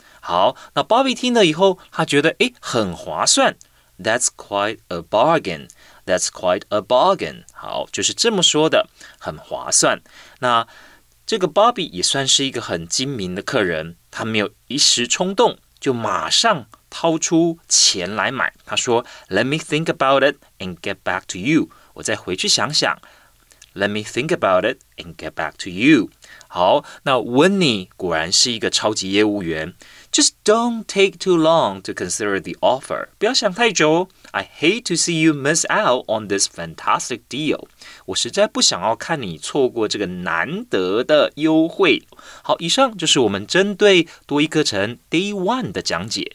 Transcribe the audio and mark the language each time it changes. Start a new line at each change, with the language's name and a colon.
Chinese: 好，那 Bobby 听了以后他觉得诶很划算，
English: That's quite a bargainThat's quite a bargain.
Chinese: 好，就是这么说的，很划算。那这个 Bobby 也算是一个很精明的客人，他没有一时冲动，就马上掏出钱来买。他说
English: Let me think about it and get back to you.
Chinese: 我再回去想想。
English: Let me think about it and get back to you.
Chinese: 好，那 Winnie 果然是一个超级业务员。
English: Just don't take too long to consider the offer.
Chinese: 不要想太久。
English: I hate to see you miss out on this fantastic deal.
Chinese: 我实在不想要看你错过这个难得的优惠。好，以上就是我们针对多益课程 Day 1的讲解。